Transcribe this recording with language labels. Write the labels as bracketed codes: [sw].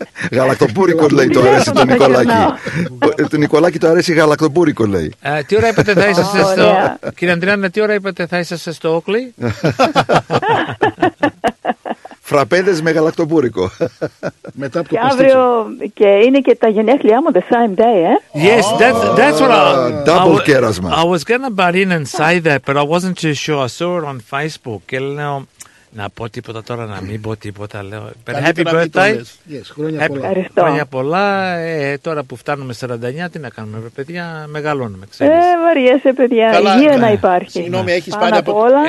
[el] Γαλακτομπούρικο λέει, το αρέσει το Νικολάκη. Το Νικολάκη το αρέσει γαλακτομπούρικο λέει. Τι ώρα είπατε θα είσαστε στο... Κύριε Αντριάννα, τι ώρα είπατε θα είσαστε στο Όκλι. Φραπέδες με γαλακτομπούρικο. Μετά από το και αύριο και είναι και τα γενέθλιά μου, [en] the same day, eh? Yes, that's what I... [el] Double κέρασμα. [en] I was going to butt in and say that, but I wasn't too sure. I saw it on Facebook [el] και λέω, να πω τίποτα τώρα, να μην πω τίποτα. [en] Λέω, but happy birthday. Yes, χρόνια happy, πολλά. [el] Ευχαριστώ. Χρόνια πολλά. Τώρα που φτάνουμε 49, τι να κάνουμε, παιδιά, μεγαλώνουμε, ξέρεις. Βαριέσαι, παιδιά. Καλά, υγεία να υπάρχει. Συγγνώμη, έχεις πάρει από... Όλα.